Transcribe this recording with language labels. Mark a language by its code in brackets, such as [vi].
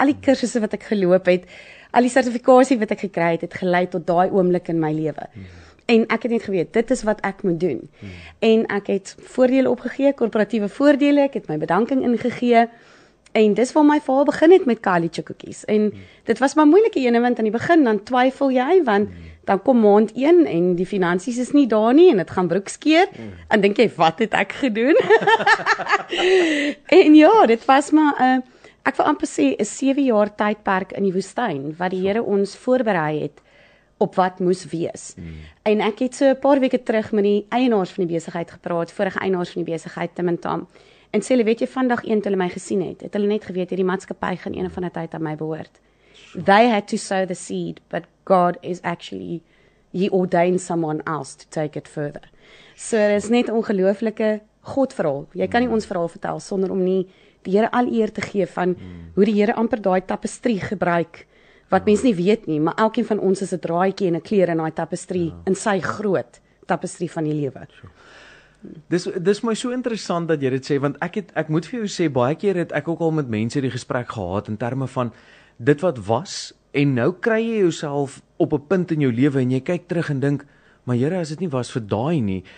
[af] Al die kursusse wat ek geloop het, al die sertifikasie wat ek gekry het, het gelei tot daai oomblik in my lewe. En ek het net geweet, dit is wat ek moet doen. En ek het voordele opgegee, korporatiewe voordele, ek het my bedanking ingegee. En dis waar my verhaal begin het met Kayalicha Cookies. En dit was maar moeilike ene, want aan die begin dan twyfel jy, want dan kom maand 1 en die finansies is nie daar nie en dit gaan broek skeer. En dink jy, wat het ek gedoen? En ja, dit was maar, ek wil amper sê, 'n 7 jaar tydperk in die woestyn, wat die Here ons voorberei het op wat moes wees. En ek het so 'n paar weke terug met die eienaars van die besigheid gepraat, vorige eienaars van die besigheid, Tim en Tam. En sê hulle, weet jy, vandag 1 toe hulle my gesien het, het hulle net geweet, hierdie maatskappy gaan een van die tyd aan my behoort. Sure. [en] They had to sow the seed, but God is actually, he ordained someone else to take it further. [af] So, dit is net ongelooflike God verhaal. Jy kan nie ons verhaal vertel, sonder om nie die Here al eer te gee van hoe die Here amper daai tapestrie gebruik, wat mens nie weet nie, maar elkeen van ons is 'n draadjie en 'n kleur in daai tapestrie, in sy groot tapestrie van die lewe. Dis my so interessant dat jy dit sê, want ek moet vir jou sê, baie keer het ek ook al met mense die gesprek gehad in terme van dit wat was, en nou kry jy jouself op 'n punt in jou lewe en jy kyk terug en dink, maar Here, as dit nie was vir daai nie.